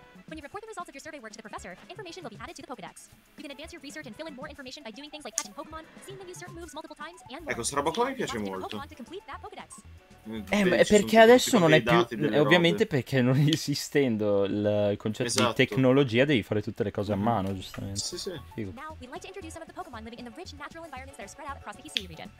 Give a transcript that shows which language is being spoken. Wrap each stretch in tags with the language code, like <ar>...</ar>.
<en>When you report the results of your survey work to the professor, information will be added to the Pokédex. You can advance your research and fill in more information by doing things like catching Pokémon, seeing them use certain moves multiple times, and more.</en> <it>Ecco, sta roba qua mi piace molto. Ma è perché adesso non è più... Ovviamente robe. Perché non esistendo il concetto esatto. Di tecnologia devi fare tutte le cose a mano, giustamente. Sì, sì.</it> <en>Now, we'd like to introduce some of the Pokémon living in the rich natural environments that are spread out across the Hisui region.</en>